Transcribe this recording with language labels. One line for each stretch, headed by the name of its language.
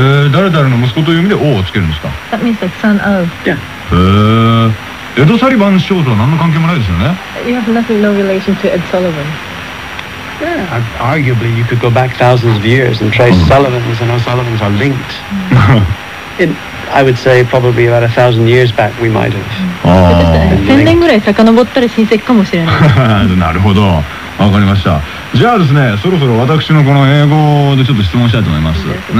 Japanese: 誰々の息子という意味で O をつけるんですか。
English: That means like son of. Yeah.
Japanese: エド・サリバン少佐は何の関係もないですよね。
English: You have nothing, no relation to Ed Sullivan. Yeah, arguably you could go back thousands of years and trace Sullivans and O'Sullivans are linked. I would say probably about a thousand years back we might have.
Japanese: 1000年ぐらい遡ったら親戚かもしれない。なるほど、わかりました。じゃあですね、そろそろ私のこの英語でちょっと質問したいと思いますね。